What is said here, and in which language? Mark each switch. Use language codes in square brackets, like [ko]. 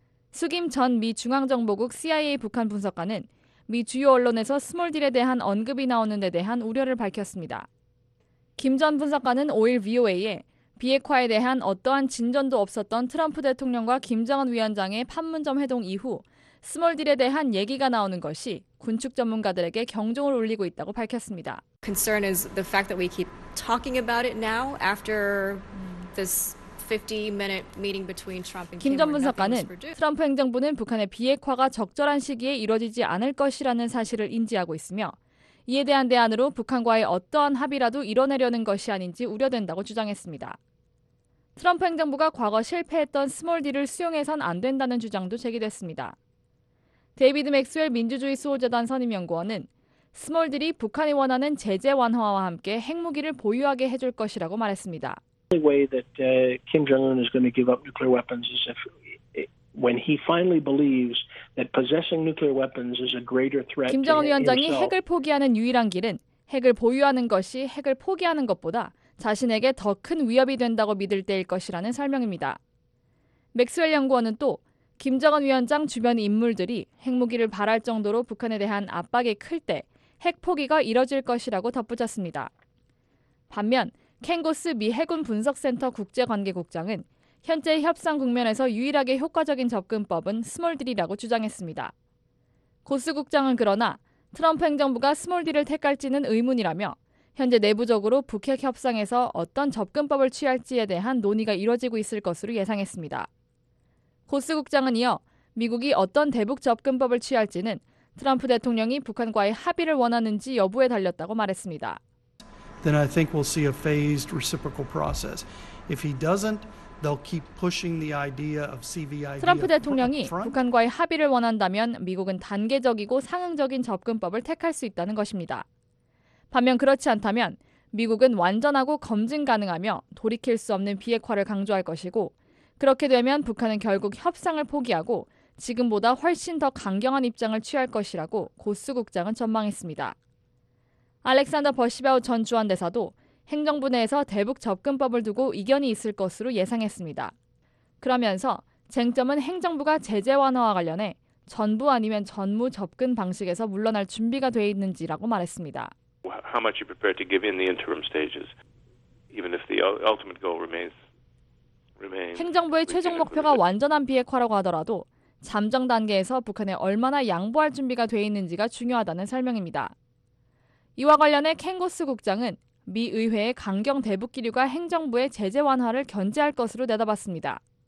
[ko] 숙임 전 미 중앙정보국 CIA 북한 분석가는 미 주요 언론에서 스몰딜에 대한 언급이 나오는 데 대한 우려를 밝혔습니다. 김 전 분석가는 5일 VOA에 비핵화에 대한 어떠한 진전도 없었던 트럼프 대통령과 김정은 위원장의 판문점 회동 이후 스몰딜에 대한 얘기가 나오는 것이 군축 전문가들에게 경종을 울리고 있다고 밝혔습니다. [en] Concern is the fact that we keep talking about it now after this 50-minute meeting between Trump and Kim. [ko] 김 전 분석가는 트럼프 행정부는 북한의 비핵화가 적절한 시기에 이루어지지 않을 것이라는 사실을 인지하고 있으며 이에 대한 대안으로 북한과의 어떠한 합의라도 이뤄내려는 것이 아닌지 우려된다고 주장했습니다. 트럼프 행정부가 과거 실패했던 스몰딜을 수용해선 안 된다는 주장도 제기됐습니다. 데이비드 맥스웰 민주주의 수호재단 선임연구원은 스몰들이 북한이 원하는 제재 완화와 함께 핵무기를 보유하게 해줄 것이라고 말했습니다. [en] The way that Kim Jong-un is going to give up nuclear weapons is if when he finally believes that possessing nuclear weapons is a greater threat. [ko] 김정은 위원장이 핵을 포기하는 유일한 길은 핵을 보유하는 것이 핵을 포기하는 것보다 자신에게 더 큰 위협이 된다고 믿을 때일 것이라는 설명입니다. 맥스웰 연구원은 또 김정은 위원장 주변 인물들이 핵무기를 바랄 정도로 북한에 대한 압박이 클 때 핵 포기가 이뤄질 것이라고 덧붙였습니다. 반면 켄고스 미 해군 분석센터 국제관계국장은 현재 협상 국면에서 유일하게 효과적인 접근법은 스몰딜이라고 주장했습니다. 고스 국장은 그러나 트럼프 행정부가 스몰딜을 택할지는 의문이라며 현재 내부적으로 북핵 협상에서 어떤 접근법을 취할지에 대한 논의가 이뤄지고 있을 것으로 예상했습니다. 고스 국장은 이어 미국이 어떤 대북 접근법을 취할지는 트럼프 대통령이 북한과의 합의를 원하는지 여부에 달렸다고 말했습니다. [en] Then I think we'll see a phased reciprocal process. If he doesn't, they'll keep pushing the idea of CVID. [ko] 트럼프 대통령이 북한과의 합의를 원한다면 미국은 단계적이고 상응적인 접근법을 택할 수 있다는 것입니다. 반면 그렇지 않다면 미국은 완전하고 검증 가능하며 돌이킬 수 없는 비핵화를 강조할 것이고 그렇게 되면 북한은 결국 협상을 포기하고 지금보다 훨씬 더 강경한 입장을 취할 것이라고 고스 국장은 전망했습니다. 알렉산더 버시바우 전 주한대사도 행정부 내에서 대북 접근법을 두고 이견이 있을 것으로 예상했습니다. 그러면서 쟁점은 행정부가 제재 완화와 관련해 전부 아니면 전무 접근 방식에서 물러날 준비가 돼 있는지라고 말했습니다. [en] How much you prepared to give in the interim stages, even if the ultimate goal remains. [ko] 행정부의 최종 목표가 완전한 비핵화라고 하더라도 잠정 단계에서 북한에 얼마나 양보할 준비가 돼 있는지가 중요하다는 설명입니다. 이와 관련해 켄고스 국장은 미 의회의 강경 대북 기류가 행정부의 제재 완화를 견제할 것으로 내다봤습니다.